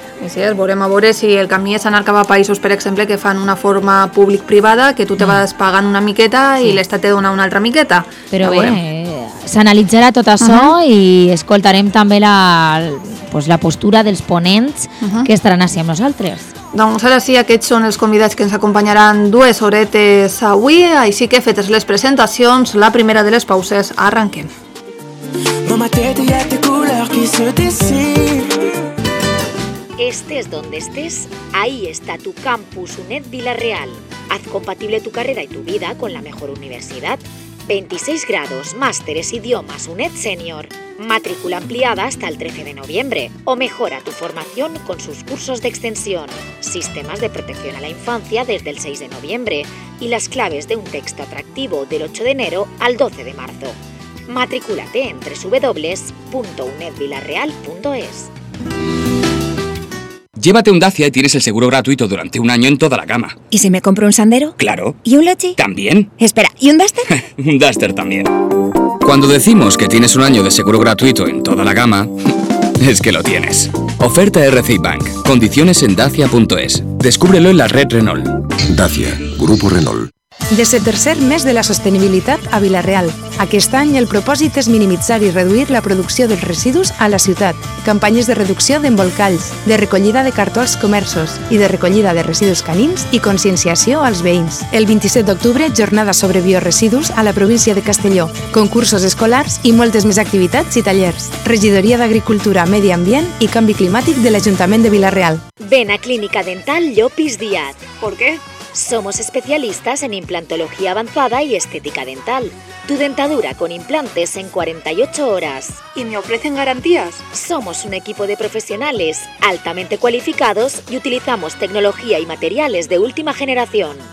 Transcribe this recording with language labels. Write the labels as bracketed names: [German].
[Catalan] Sí, veurem a veure si el camí és anar cap a països, per exemple, que fan una forma públic-privada, que tu te vas pagant una miqueta i l'Estat te dona una altra miqueta. Però bé, s'analitzarà tot això i escoltarem també la, pues, la postura dels ponents que estaran així amb nosaltres. Doncs ara sí, aquests són els convidats que ens acompanyaran dues horetes avui. Així que, fetes les presentacions, la primera de les pauses, arrenquem. [French] Dans ma tête y a des couleurs qui se dessinent. [Spanish] Estés donde estés, ahí está tu Campus UNED Villarreal. Haz compatible tu carrera y tu vida con la mejor universidad. 26 grados, másteres, idiomas, UNED Senior. Matrícula ampliada hasta el 13 de noviembre. O mejora tu formación con sus cursos de extensión. Sistemas de protección a la infancia desde el 6 de noviembre. Y las claves de un texto atractivo del 8 de enero al 12 de marzo. Matrículate en www.unedvillarreal.es. Llévate un Dacia y tienes el seguro gratuito durante un año en toda la gama. ¿Y si me compro un Sandero? Claro. ¿Y un Logi? También. Espera, ¿y un Duster? Un Duster también. Cuando decimos que tienes un año de seguro gratuito en toda la gama, es que lo tienes. Oferta RC Bank. Condiciones en Dacia.es. Descúbrelo en la red Renault. Dacia, Grupo Renault. [Catalan] Des del tercer mes de la sostenibilitat a Vila-real. Aquest any el propòsit és minimitzar i reduir la producció dels residus a la ciutat. Campanyes de reducció d'embolcalls, de recollida de cartó als comerços i de recollida de residus canins i conscienciació als veïns. El 27 d'octubre, jornada sobre bioresidus a la província de Castelló, concursos escolars i moltes més activitats i tallers. Regidoria d'Agricultura, Medi Ambient i Canvi Climàtic de l'Ajuntament de Vila-real. [Spanish] Ven a Clínica Dental Llopis Díaz. ¿Por qué? Somos especialistas en implantología avanzada y estética dental. Tu dentadura con implantes en 48 horas. ¿Y me ofrecen garantías? Somos un equipo de profesionales altamente cualificados y utilizamos tecnología y materiales de última generación.